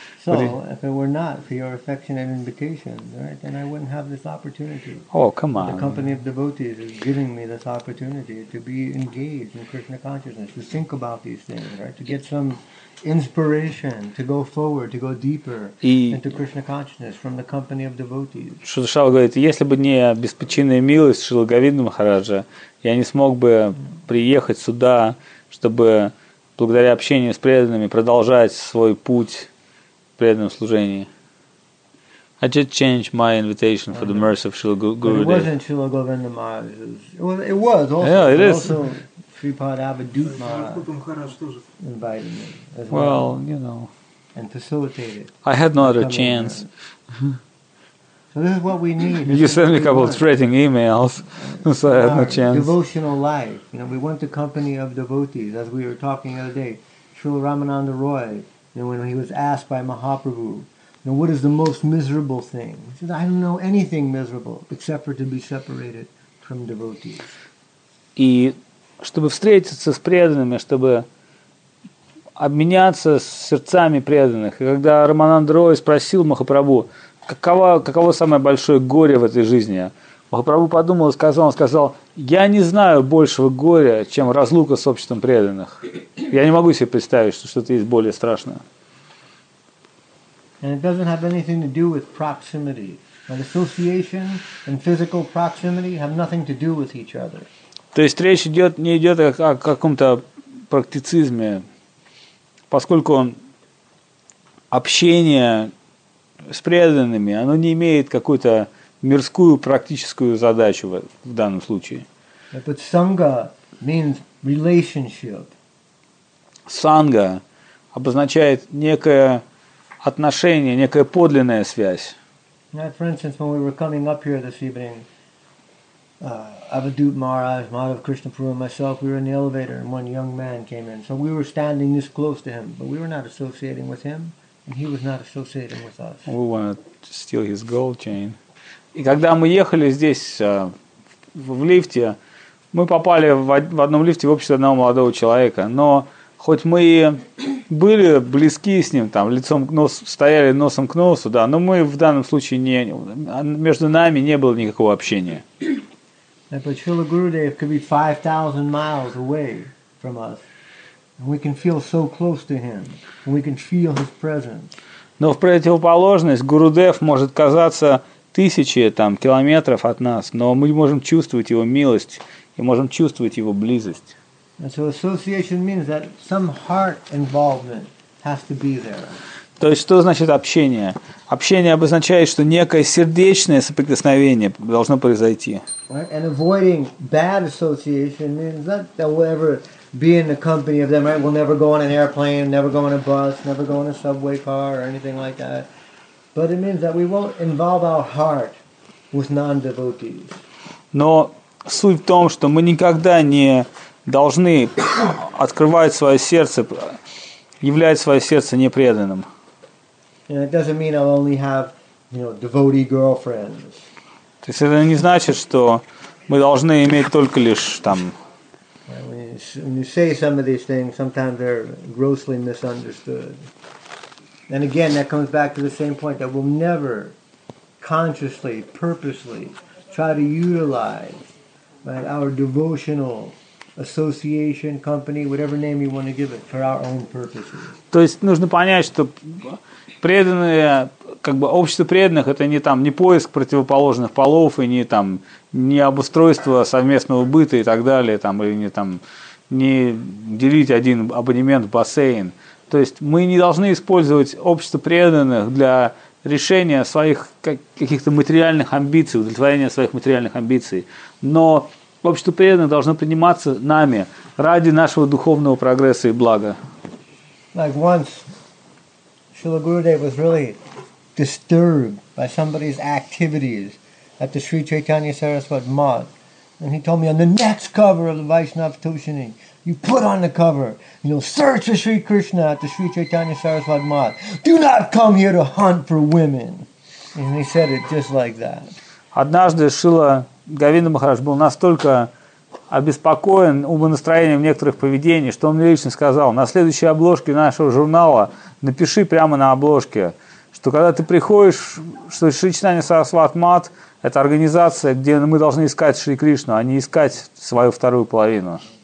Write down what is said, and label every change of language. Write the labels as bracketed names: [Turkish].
[English] So, if it were not for your affectionate invitation, right, then I wouldn't have this opportunity. Oh, come on. The company of devotees is giving me this opportunity to be engaged in Krishna consciousness, to think about these things, right, to get some inspiration to go forward, to go deeper into Krishna consciousness from the company of devotees. [Russian] Шришава говорит, если бы не беспричинная милость Шрилы Говинды Махараджа, я не смог бы приехать сюда, чтобы благодаря общению с преданными продолжать свой путь в преданном служении. [English] I just changed my invitation for the mercy of Шрила Гурудева. It wasn't Шрила Говинда Махараджа. It was also. Yeah, it is. Sripad Avadhut Maharaj invited me as well. Well, you know. And facilitated. I had no other chance. So this is what we need. You sent me a couple of threatening emails, so I had no chance. Devotional life. You know, we want the company of devotees, as we were talking the other day. Srila Ramananda Roy, you know, when he was asked by Mahaprabhu, you know, what is the most miserable thing? He said, I don't know anything miserable except for to be separated from devotees. [Russian] Чтобы встретиться с преданными, чтобы обменяться с сердцами преданных. И когда Рамананда Рой спросил Махапрабху, каково самое большое горе в этой жизни, Махапрабху подумал и сказал, я не знаю большего горя, чем разлука с обществом преданных. Я не могу себе представить, что что-то есть более страшное. [English] And it doesn't have anything to do with proximity. And association and physical proximity have nothing to do with each other. [Russian] То есть речь не идет о каком-то практицизме, поскольку общение с преданными, оно не имеет какую-то мирскую практическую задачу в данном случае. [English] But sangha means relationship. [Russian] Sangha обозначает некое отношение, некая подлинная связь. [English] For instance, when we were coming up here this evening, Avadhut Maharaj, Madhav Krishnapuru, and myself, we were in the elevator and one young man came in. So we were standing this close to him, but we were not associating with him, and he was not associating with us. We wanted to steal his gold chain. [Russian] И когда мы ехали здесь в лифте, мы попали в одном лифте в обществе одного молодого человека. Но хоть мы и были близки с ним, там, лицом к носу, стояли носом к носу, да, но мы в данном случае не, между нами не было никакого общения. [English] But Srila Gurudev could be 5,000 miles away from us, and we can feel so close to him, and we can feel his presence. [Russian] Но в противоположность Гурудев может казаться тысячи там километров от нас, но мы можем чувствовать его милость и можем чувствовать его близость. [English] And so association means that some heart involvement has to be there. [Russian] То есть, что значит общение? Общение обозначает, что некое сердечное соприкосновение должно произойти. [English] Right? And avoiding bad association means not that we'll ever be in the company of them, right? We'll never go on an airplane, never go on a bus, never go on a subway car or anything like that. But it means that we won't involve our heart with non-devotees. [Russian] Но суть в том, что мы никогда не должны открывать свое сердце, являть свое сердце непреданным. [English] And it doesn't mean I'll only have, you know, devotee girlfriends. [Russian] То есть это не значит, что мы должны иметь только лишь там. [English] When you say some of these things, sometimes they're grossly misunderstood. And again, that comes back to the same point that we'll never consciously, purposely try to utilize, right, our devotional association, company, whatever name you want to give it, for our own purposes. [Russian] То есть нужно понять, что преданные, как бы общество преданных, это не там не поиск противоположных полов и не там не обустройство совместного быта и так далее, там или не там не делить один абонемент в бассейн. То есть мы не должны использовать общество преданных для решения своих каких-то материальных амбиций, удовлетворения своих материальных амбиций. Но общество преданных должно приниматься нами ради нашего духовного прогресса и блага. [English] Like once Srila Gurudev was really disturbed by somebody's activities at the Sri Chaitanya Saraswat Math. And he told me on the next cover of the Vaishnav Tushini, you put on the cover, and you'll search for Sri Krishna at the Sri Chaitanya Saraswat Math. Do not come here to hunt for women. And he said it just like that. [Russian] Однажды Шрила Говинда Махарадж был настолько обеспокоен умонастроением некоторых поведений, что он мне лично сказал, на следующей обложке нашего журнала напиши прямо на обложке, что когда ты приходишь, что Шри Чайтанья Сарасват Мат – это организация, где мы должны искать Шри Кришну, а не искать свою вторую половину.